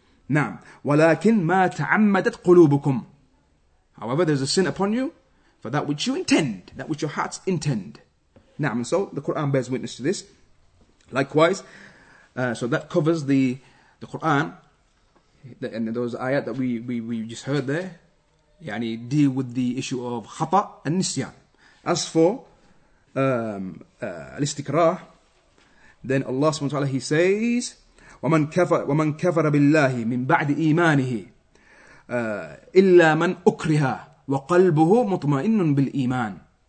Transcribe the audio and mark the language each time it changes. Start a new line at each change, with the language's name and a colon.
English: Now,
Arabic: وَلَكِنْ مَا تَعَمَّدَتْ قُلُوبُكُمْ.
English: However, there's a sin upon you for that which you intend, that which your hearts intend. Now, and so the Quran bears witness to this. Likewise, so that covers the Quran, and those ayat that we just heard there, deal with the issue of khata and nisyan. As for al-istikrah, then Allah subhanahu wa ta'ala, he says,
Arabic: وَمَنْ كَفَرَ بِاللَّهِ مِنْ بَعْدِ إِيمَانِهِ إِلَّا مَنْ أُكْرِهَا وَقَلْبُهُ مُطْمَئِنٌ بِالْإِيمَانِ.